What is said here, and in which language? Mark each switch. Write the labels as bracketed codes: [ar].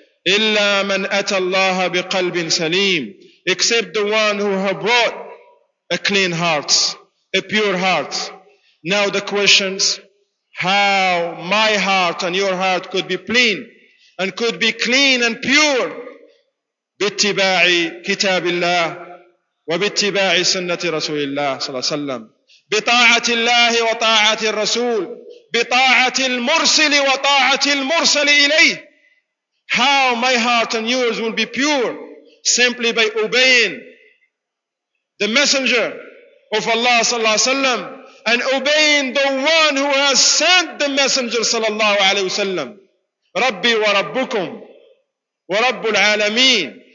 [ar] إِلَّا مَنْ أَتَى اللَّهَ بِقَلْبٍ سَلِيمٍ. [en] Except the one who have brought a clean heart, a pure heart. Now the questions: how my heart and your heart could be clean and could be clean and pure? [ar] باتباع كتاب الله وباتباع سنة رسول الله صلى الله عليه وسلم. بطاعة الله وطاعة الرسول. بطاعة المرسل وطاعة المرسل إليه. [en] How my heart and yours will be pure? Simply by obeying the messenger of Allah [ar] صلى الله عليه وسلم [en] and obeying the one who has sent the messenger صلى الله عليه وسلم. [ar] ربي وربكم ورب العالمين.